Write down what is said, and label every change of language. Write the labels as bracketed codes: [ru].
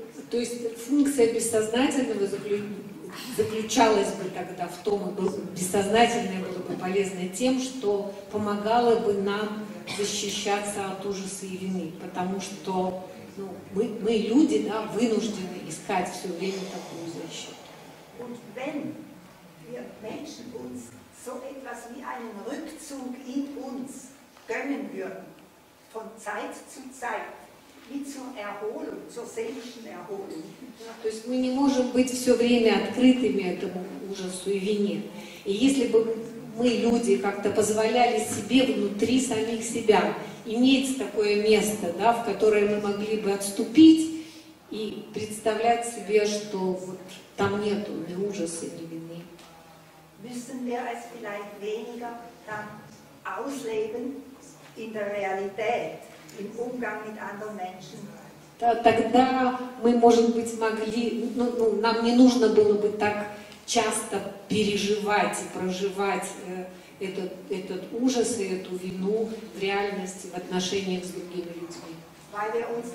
[ru] То есть функция бессознательного заключалась бы тогда в том, бессознательное было бы полезно тем, что помогало бы нам защищаться от ужаса и вины, потому что ну, мы люди, да, вынуждены искать все время такую защиту. [de] Und wenn wir Menschen uns so etwas wie einen Rückzug in uns gönnen würden, von Zeit zu Zeit, wie zur Erholung, zur seelischen Erholung. [ru] То есть мы не можем быть все время открытыми этому ужасу и вине. И если бы мы, люди, как-то позволяли себе внутри самих себя иметь такое место, да, в которое мы могли бы отступить и представлять себе, что вот там нету ни ужаса, ни вины. [de] Müssen wir es vielleicht weniger dann ausleben in der Realität, im Umgang mit anderen Menschen? [ru] Тогда мы, может быть, могли, ну, нам не нужно было бы так часто переживать и проживать этот ужас и эту вину в реальности, в отношениях с другими людьми.